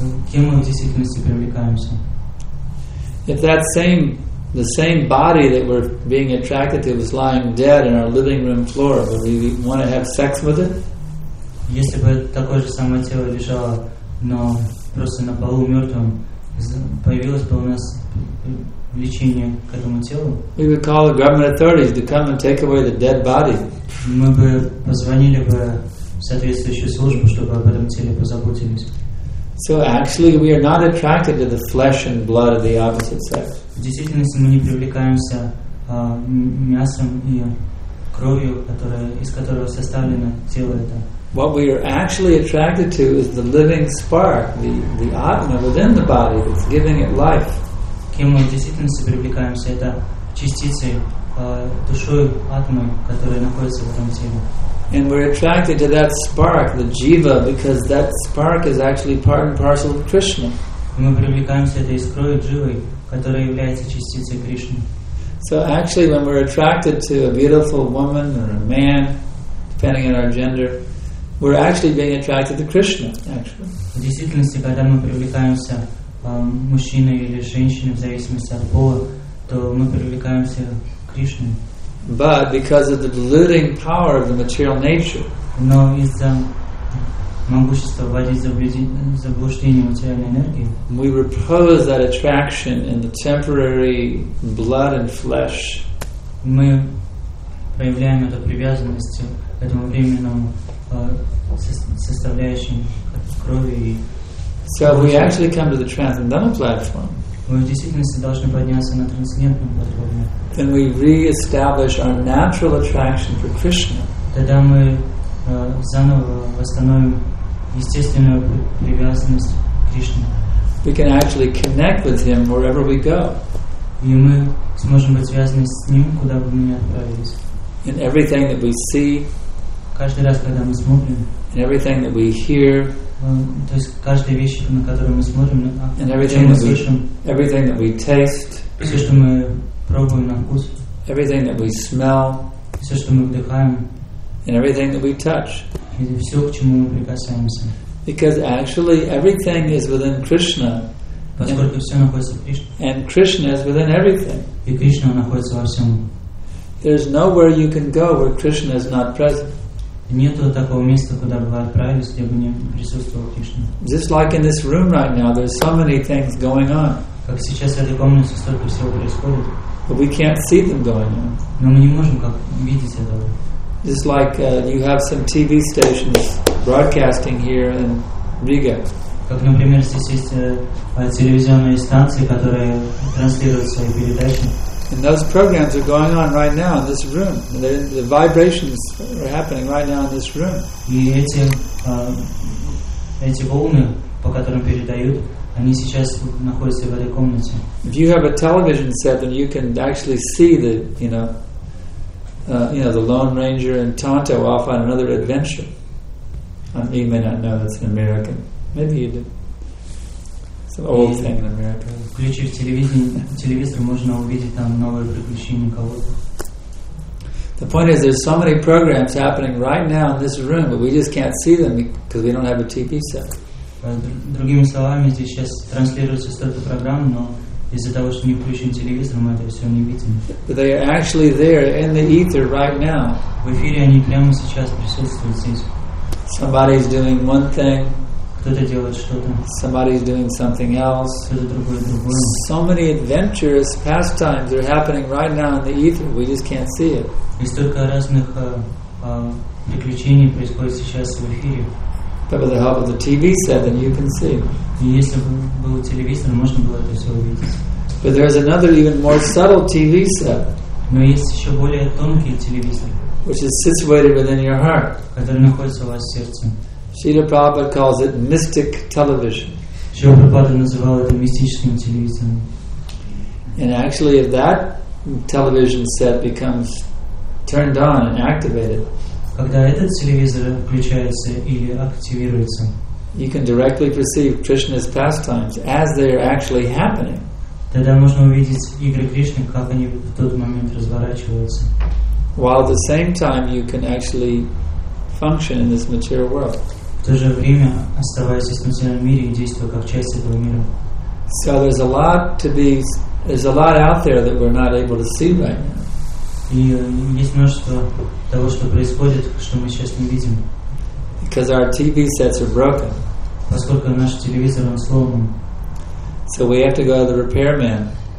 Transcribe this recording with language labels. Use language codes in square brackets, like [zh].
[ru] Кем мы в действительности привлекаемся? [en] If that same the same body that we're being attracted to was lying dead in our living room floor, would we want to have sex with it? [ru] Если бы такое же самое тело лежало, но просто на полу мертвым, появилось бы у нас влечение к этому телу? [en] We would call the government authorities to come and take away the dead body. [ru] Мы бы позвонили бы в соответствующую службу, чтобы об этом теле позаботились. [en] So actually, we are not attracted to the flesh and blood of the opposite sex. [ru] В действительности мы не привлекаемся мясом и кровью, из которого составлено тело это. [en] What we are actually attracted to is the living spark, the Atma within the body that's giving it life. [ru] Кем мы в действительности привлекаемся, это частицы душой Атмы, которая находится в этом теле. [en] And we're attracted to that spark, the jiva, because that spark is actually part and parcel of Krishna. [ru] Мы привлекаемся этой искрой дживы, которая является частицей Кришны. [en] So actually, when we're attracted to a beautiful woman or a man, depending on our gender, we're actually being attracted to Krishna, actually. [ru] В действительности, когда мы привлекаемся мужчиной или женщиной, в зависимости от пола, то мы привлекаемся к Кришне. [en] But because of the deluding power of the material nature, [ru] но из-за могущества вводить заблуждение материальной энергии, [en] we repose that attraction in the temporary blood and flesh. [ru] Мы проявляем эту привязанность к этому временному составляющему крови и. [en] So we actually come to the transcendental platform. [ru] Мы в действительности должны подняться на трансцендентном уровне. [en] Then we re-establish our natural attraction for Krishna. [ru] Тогда мы заново восстановим естественную привязанность к Кришне. [en] We can actually connect with Him wherever we go. [ru] И мы сможем быть связаны с Ним, куда бы мы ни отправились. [en] In everything that we see. [ru] Каждый раз, когда мы смотрим. [en] In everything that we hear. [ru] То есть каждая вещь, на которую мы смотрим, на [en] everything [ru] мы слышим, [en] everything that we taste, [ru] все, что мы пробуем на вкус, [en] everything that we smell, [ru] все, что мы вдыхаем, [en] and everything that we touch, [ru] и все, к чему мы прикасаемся. [en] Because actually everything is within Krishna, [ru] поскольку все находится в Кришне, [en] and Krishna is within everything. [ru] И Кришна находится во всем. [en] There's nowhere you can go where Krishna is not present. [ru] Нету такого места, куда бы вы отправились, где бы не присутствовал Кришна. [en] Just like in this room right now, there's so many things going on. [ru] Как сейчас в этой комнате столько всего происходит. [en] But we can't see them going on. [ru] Но мы не можем как видеть этого. [en] Just like you have some TV stations broadcasting here in Riga. [ru] Как, например, здесь есть телевизионные станции, которые транслируют свои передачи. [en] And those programs are going on right now in this room. The vibrations are happening right now in this room. [ru] И эти волны, по которым передают, они сейчас находятся в этой комнате. [en] If you have a television set, then you can actually see the, the Lone Ranger and Tonto off on another adventure. You may not know that's in America. Maybe you do. It's an old thing in America. [ru] Включив телевизор, можно увидеть там новые приключения кого-то. [en] The point is, there's so many programs happening right now in this room, but we just can't see them because we don't have a TV set. [ru] Другими словами, здесь сейчас транслируется столько программ, но из-за того, что не включен телевизор, мы это все не видим. [en] But they are actually there in the ether right now. [ru] В эфире они прямо сейчас присутствуют здесь. [en] Somebody is doing one thing. [ru] Кто-то делает что-то. [en] Somebody is doing something else. [ru] Кто-то другой. [en] So many adventures, pastimes are happening right now in the ether. We just can't see it. [ru] И столько разных приключений происходит сейчас в эфире. [en] But with the help of the TV set, then you can see. [ru] И если бы был телевизор, можно было это все увидеть. [en] But there is another even more subtle TV set. [ru] Но есть еще более тонкий телевизор, [en] which is situated within your heart. [ru] Который находится у вас в сердце. [en] Srila Prabhupada calls it mystic television. [ru] Srila Prabhupada называл это мистическим телевизором. [en] And actually, if that television set becomes turned on and activated, [ru] когда этот телевизор включается или активируется, [en] you can directly perceive Krishna's pastimes as they are actually happening. [ru] Тогда можно увидеть игры Кришны, как они в тот момент разворачиваются. [en] While at the same time you can actually function in this material world. [ru] В то же время оставаясь в материальном мире и действуя как часть этого мира. [en] So there's a lot to be, there's a lot out there that we're not able to see right now. [ru] И есть множество того, что происходит, что мы сейчас не видим. [en] Because our TV sets are broken. [ru] Поскольку наш телевизор сломан. [en] So we have to go to the repairman.